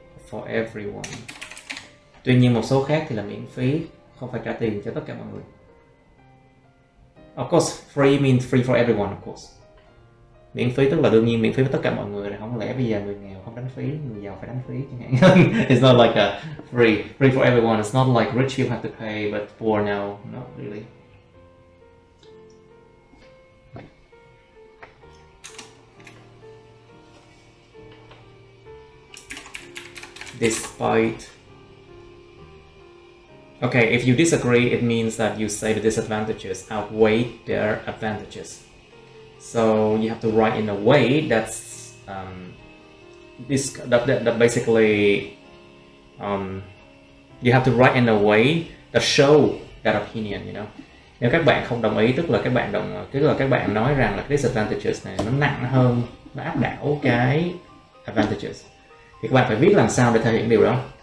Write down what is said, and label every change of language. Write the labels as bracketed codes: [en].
[en] For everyone. [vi] Tuy nhiên một số khác thì là miễn phí, không phải trả tiền cho tất cả mọi người. [en] Of course, free means free for everyone, of course. [vi] Miễn phí tức là đương nhiên miễn phí với tất cả mọi người, không lẽ bây giờ người nghèo không đánh phí, người giàu phải đánh phí chẳng hạn. [en] It's not like a free for everyone. It's not like rich people have to pay, but poor, no, not really. Despite... Okay, if you disagree, it means that you say the disadvantages outweigh their advantages. So you have to write in a way that's you have to write in a way that show that opinion, you know. [vi] Nếu các bạn không đồng ý, tức là các bạn nói rằng là disadvantages này nó nặng hơn, nó áp đảo cái advantages, thì các bạn phải viết làm sao để thể hiện điều đó.